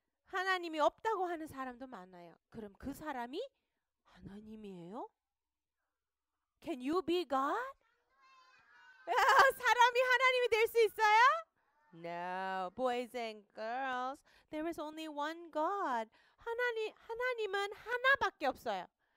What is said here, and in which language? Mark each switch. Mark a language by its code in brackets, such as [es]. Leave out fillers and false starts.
[ko] 하나님이 없다고 하는 사람도 많아요. 그럼 그 사람이 하나님이에요? [en] Can you be God? [ko] 사람이 하나님이 될수 있어요? [en] No, boys and girls, there is only one God. [ko] 하나님은 하나밖에 없어요.